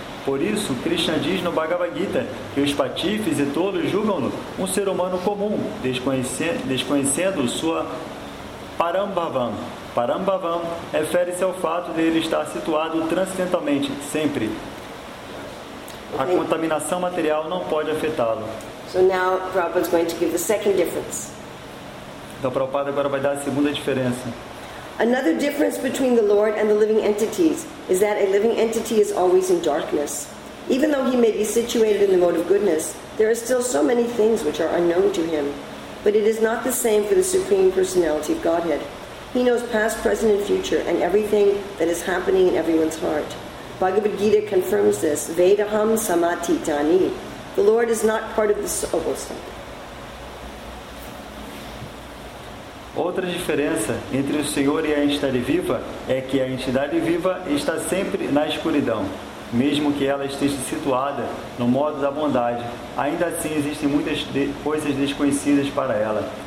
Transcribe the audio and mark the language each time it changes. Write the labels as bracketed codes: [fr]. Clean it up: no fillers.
[pt] Por isso, Krishna diz no Bhagavad Gita que os patifes e tolos julgam-no um ser humano comum, desconhecendo sua Parambhavam. Parambhavam refere-se ao fato de ele estar situado transcendentalmente, sempre. A contaminação material não pode afetá-lo. [en] So now Prabhupada's going to give the second difference. [pt] Então Prabhupada agora vai dar a segunda diferença. [en] Another difference between the Lord and the living entities is that a living entity is always in darkness. Even though he may be situated in the mode of goodness, there are still so many things which are unknown to him. But it is not the same for the Supreme Personality of Godhead. He knows past, present, and future, and everything that is happening in everyone's heart. Bhagavad Gita confirms this. [sa] Vedaham samati tani. [en] The Lord is not part of the soul. [pt] Outra diferença entre o Senhor e a entidade viva é que a entidade viva está sempre na escuridão. Mesmo que ela esteja situada no modo da bondade, ainda assim existem muitas coisas desconhecidas para ela.